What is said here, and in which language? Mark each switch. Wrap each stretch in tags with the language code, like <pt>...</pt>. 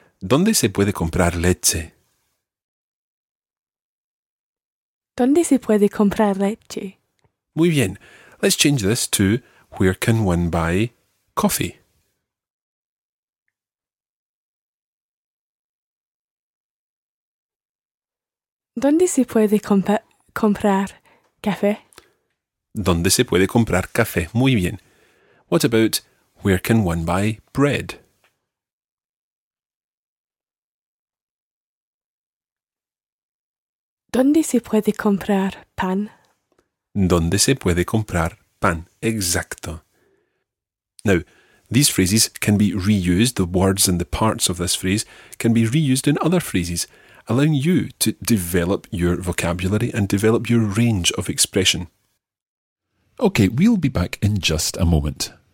<es>¿Dónde se puede comprar leche? ¿Dónde se puede comprar leche? Muy bien.</es> <en>Let's change this to, where can one buy coffee?</en> <es>¿Dónde se puede comprar café? ¿Dónde se puede comprar café? Muy bien.</es> <en>What about, where can one buy bread?</en> <es>¿Dónde se puede comprar pan? ¿Dónde se puede comprar pan? Exacto.</es> <en>Now, these phrases can be reused, the words and the parts of this phrase can be reused in other phrases, allowing you to develop your vocabulary and develop your range of expression. Okay, we'll be back in just a moment.</en>